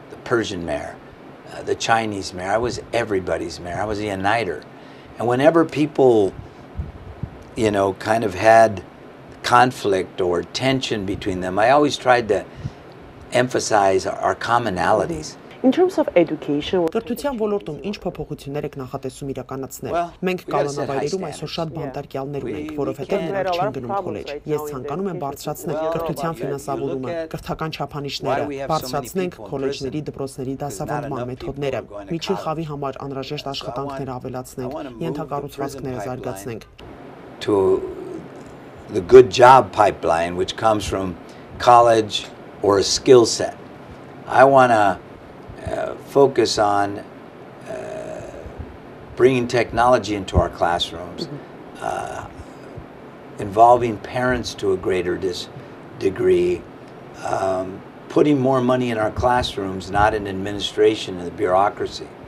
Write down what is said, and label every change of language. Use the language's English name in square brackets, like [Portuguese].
[English] Persian mayor, the Chinese mayor, I was everybody's mayor, I was the uniter. And whenever people, you know, kind of had conflict or tension between them, I always tried to emphasize our commonalities. In terms of education, [Armenian] Կրթության ոլորտում ինչ փոփոխություններ եք նախատեսում իրականացնել։ Մենք կանոնավայրերում այսօր շատ բանտարկյալներ ունենք, որովհետև նրանք չեն գնում քոլեջ։ Ես ցանկանում եմ բարձրացնել կրթության ֆինանսավորումը, կրթական չափանիշները, բարձրացնենք քոլեջների դպրոցների դասավանդման մեթոդները, միջին խավի համար անհրաժեշտ աշխատանքներ ավելացնենք, ենթակառուցվածքներ զարգացնենք։ [English] To the good job pipeline which comes from college or a skill set. I want to focus on bringing technology into our classrooms, involving parents to a greater degree, putting more money in our classrooms, not in administration and the bureaucracy.